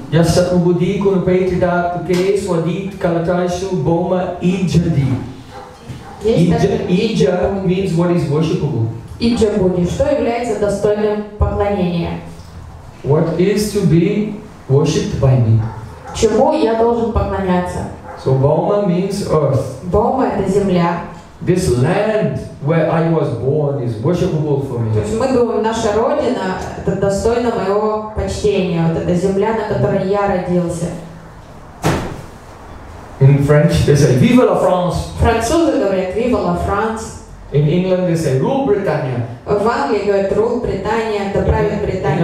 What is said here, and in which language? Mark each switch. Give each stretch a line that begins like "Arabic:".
Sanskrit: Yes, Atma-buddhi, Kunupetida, Tuke, Swadit, Kalatashu, Boma, Ija-di.
English: Ija means what is worshipable.
Russian: Ija-buddhi, что является достойным поклонения?
English: What is to be worshipped by me?
Russian: Чему я должен поклоняться?
English: So, Boma means earth.
Russian: Boma – это земля.
English: This land where I was born is worshipable for me.
Russian: То есть мы думаем, наша родина это достойна моего почтения, вот эта земля, на которой я родился.
English: In French they say
French: Vive la France.
Russian: Французы говорят
French: Vive la France.
English: In England they say Rule Britannia.
Russian: В Англии говорят Rule Britannia, да правит Британия.